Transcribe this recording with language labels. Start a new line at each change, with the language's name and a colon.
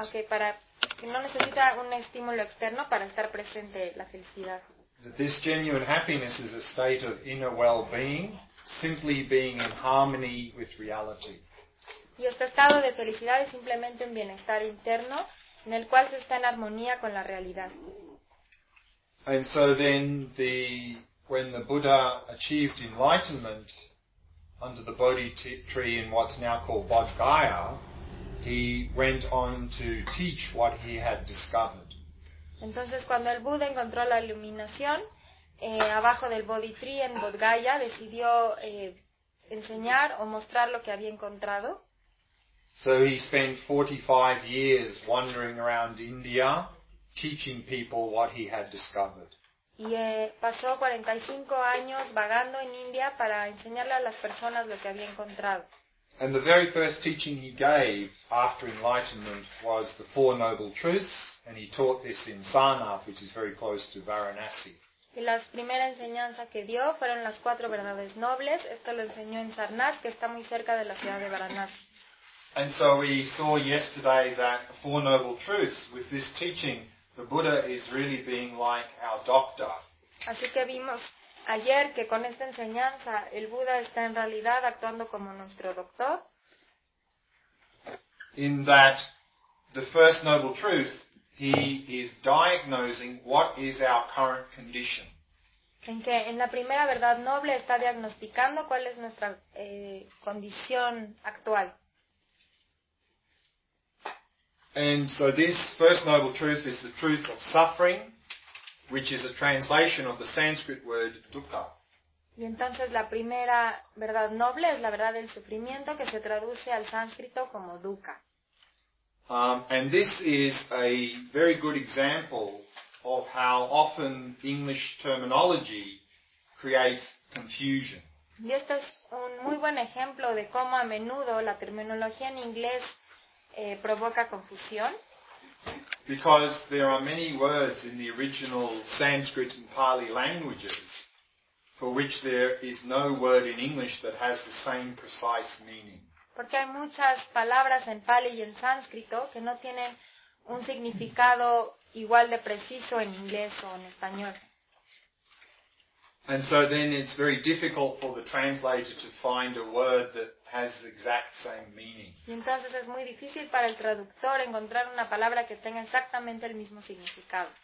Spanish: Okay, para que no necesita un estímulo externo para estar presente la felicidad.
English: This genuine happiness is a state of inner well-being, simply being in harmony with reality.
Spanish: Y este estado de felicidad es simplemente un bienestar interno en el cual se está en armonía con la realidad.
English: And so then when the Buddha achieved enlightenment under the Bodhi tree in what's now called Bodh Gaya, he went on to teach what he had discovered.
Spanish: Entonces cuando el Buda encontró la iluminación abajo del Bodhi tree en Bodh Gaya, decidió enseñar o mostrar lo que había encontrado.
English: So he spent 45 years wandering around India teaching people what he had discovered.
Spanish: Y pasó 45 años vagando en India para enseñarle a las personas lo que había encontrado.
English: And the very first teaching he gave after enlightenment was the Four Noble Truths, and he taught this in Sarnath, which is very close to Varanasi.
Spanish: Y la primera enseñanza que dio fueron las cuatro verdades nobles. Esto lo enseñó en Sarnath, que está muy cerca de la ciudad de Varanasi.
English: And so we saw yesterday that the Four Noble Truths, with this teaching, the Buddha is really being like our doctor.
Spanish: Así que vimos ayer que con esta enseñanza el Buda está en realidad actuando como nuestro doctor.
English: In that, the first noble truth, he is diagnosing what is our current condition.
Spanish: En que en la primera verdad noble está diagnosticando cuál es nuestra condición actual.
English: And so this first noble truth is the truth of suffering, which is a translation of the Sanskrit word dukkha.
Spanish: Y entonces la primera verdad noble es la verdad del sufrimiento que se traduce al sánscrito como dukkha.
English: And this is a very good example of how often English terminology creates confusion.
Spanish: Y esto es un muy buen ejemplo de cómo a menudo la terminología en inglés provoca confusión.
English: Because there are many words in the original Sanskrit and Pali languages for which there is no word in English that has the same precise meaning.
Spanish: Porque hay muchas palabras en Pali y en sánscrito que no tienen un significado igual de preciso en inglés o en español.
English: And so then it's very difficult for the translator to find a word that has the exact same meaning.
Spanish: Y entonces es muy difícil para el traductor encontrar una palabra que tenga exactamente el mismo significado.